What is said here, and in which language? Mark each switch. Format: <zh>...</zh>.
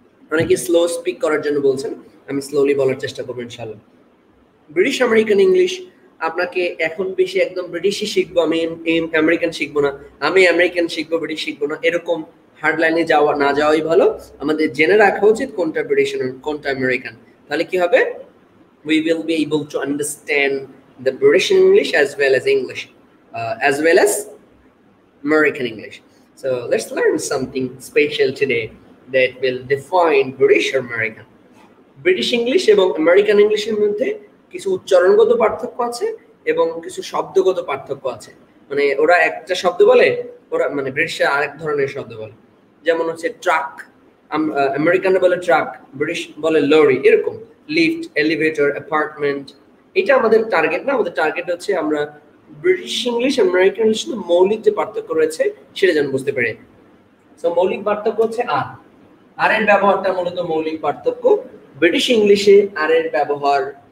<bn>অনেকে slow speak করার জন্য বলছেন আমি স্লোলি বলার চেষ্টা করবো ইনশাল্লাহ ব্রিটিশ আমেরিকান ইংলিশ আপনাকে এখন বেশি একদম ব্রিটিশই শিখবো আমি আমেরিকান শিখবো না আমি আমেরিকান শিখবো ব্রিটিশ শিখবো না এরকম হার্ড লাইনে যাওয়া না যাওয়াই ভালো আমাদের জেনে রাখা উচিত কোনটা ব্রিটিশ কোনটা আমেরিকান তাহলে কি হবে</bn> <en>we will be able to understand the British English as well as English, as well as American English. So let's learn something special today that will define British or American.</en> <bn>British English এবং American English এর মধ্যে কিছু উচ্চারণগত পার্থক্য আছে এবং কিছু শব্দগত পার্থক্য আছে মানে ওরা একটা শব্দ বলে ওরা মানে ব্রিটিশে আরেক ধরনের শব্দ বলে যেমন হচ্ছে ট্রাক আমেরিকান বলে ট্রাক ব্রিটিশ বলে লরি এরকম লিফট এলিভেটর অ্যাপার্টমেন্ট এটা আমাদের টার্গেট না আমাদের টার্গেট হচ্ছে আমরা ব্রিটিশ ইংলিশ আমেরিকান ইংলিশ মৌলিক যে পার্থক্য রয়েছে সেটা যেন বুঝতে পারে সো মৌলিক পার্থক্য হচ্ছে আর এর ব্যবহারটা মূলত মৌলিক পার্থক্য ব্রিটিশ ইংলিশে আর এর ব্যবহার</bn>